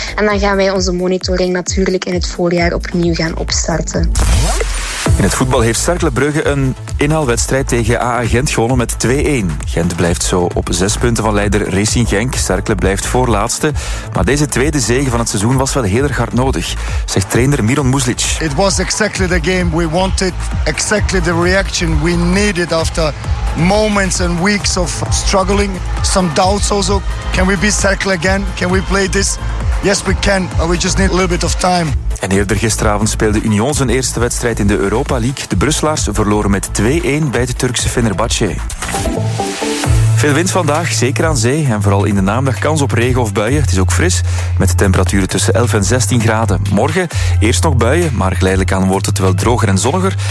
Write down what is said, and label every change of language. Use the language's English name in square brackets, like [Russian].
[Dutch] En dan gaan wij onze monitoring natuurlijk in het voorjaar opnieuw gaan opstarten. In het voetbal heeft Cercle Brugge een inhaalwedstrijd tegen AA Gent gewonnen met 2-1. Gent blijft zo op 6 punten van leider Racing Genk. Cercle blijft voorlaatste. Maar deze tweede zege van het seizoen was wel heel erg hard nodig, zegt trainer Miron Muzlic. [English] It was exactly the game we wanted. Exactly the reaction we needed after moments and weeks of struggling. Some doubts also. Can we be Cercle again? Can we play this? Yes, we can. We just need a little bit of time. [Dutch] En eerder gisteravond speelde Union zijn eerste wedstrijd in de Europa League. De Brusselaars verloren met 2-1 bij de Turkse Fenerbahçe. Veel wind vandaag, zeker aan zee. En vooral in de namiddag kans op regen of buien. Het is ook fris, met temperaturen tussen 11 en 16 graden. Morgen eerst nog buien, maar geleidelijk aan wordt het wel droger en zonniger.